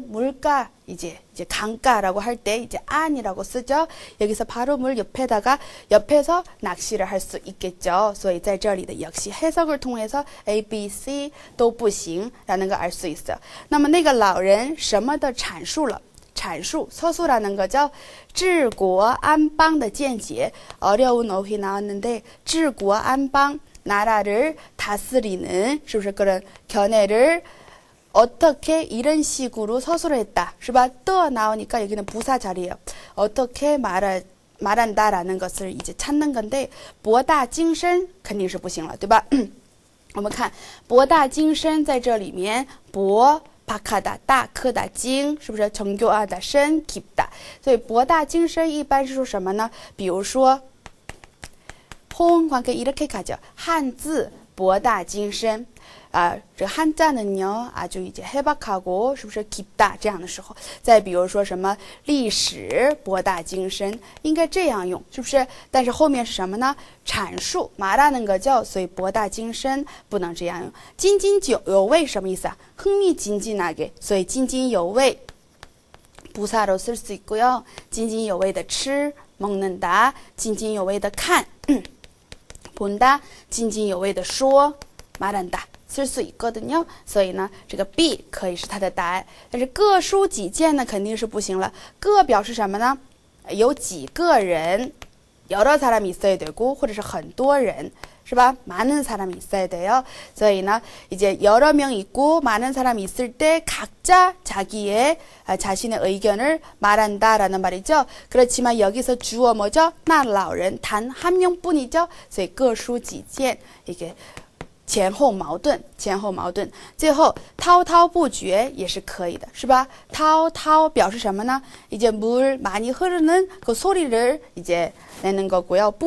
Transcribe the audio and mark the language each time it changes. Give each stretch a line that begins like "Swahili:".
Korean: 물가 이제 강가라고 할 때 이제 岸이라고 쓰죠. 여기서 바로 물 옆에다가 옆에서 낚시를 할 수 있겠죠.
Chinese: 所以在这里的
Korean: 역시 해석을 통해서 A, B, C
Chinese: 都不行
Korean: 라는 거 알 수 있어요.
Chinese: 那么那个老人什么的阐述了?阐述,
Korean: 서술하는 거죠.
Chinese: 治国安邦的见解,
Korean: 어려운 어휘 나왔는데 治国安邦, 나라를 다스리는,
Chinese: 是不是?
Korean: 그런 견해를 어떻게 이런 식으로 서술을 했다.
Chinese: 是吧?
Korean: 떠 나오니까 여기는 부사 자리예요. 어떻게 말한다라는 것을 이제 찾는 건데
Chinese: 博大精深 肯定是不行了, 对吧? 我们看 博大精深 在这里面 博
Korean: 박하다,
Chinese: 大,
Korean: 크다,
Chinese: 精, 是不是?
Korean: 정교하다, 深, 깊다.
Chinese: 所以 博大精深 一般是说什么呢? 比如说
Korean: 홍관계 이렇게 가죠.
Chinese: 한字 博大精深.
Korean: 아, 저 한자는요, 아주 이제 해박하고,
Chinese: 是不是?
Korean: 깊다,
Chinese: 这样的时候. 再比如说什么,历史,博大精深, 应该这样用, 是不是? 但是后面是什么呢?阐述,
Korean: 말하는 거죠.
Chinese: 所以,博大精深,不能这样用. 津津有味,什么意思?
Korean: 흥미津津하게, 所以,津津有味, 부사로 쓸 수 있고요.
Chinese: 津津有味的吃,
Korean: 먹는다,
Chinese: 津津有味的看,
Korean: 본다,
Chinese: 津津有味的说,
Korean: 말한다. 쓸 수 있거든요.
Chinese: 所以呢, 这个 B 可以是它的答案.但是各抒己见呢, 肯定是不行了. 各表示什么呢? 有几个人,
Korean: 여러 사람이 있어야 되고,
Chinese: 或者是很多人,
Korean: 많은 사람이 있어야 돼요. 저희는 이제 여러 명 있고 많은 사람이 있을 때 각자 자신의 의견을 말한다라는 말이죠. 그렇지만 여기서 주어 뭐죠? 나 老人 단한 명뿐이죠. 그래서
Chinese: 各抒己见 이게 前后矛盾，最后滔滔不绝也是可以的，是吧？滔滔表示什么呢？
Korean: 이제물많이흐르는그소리를이제내는거고요。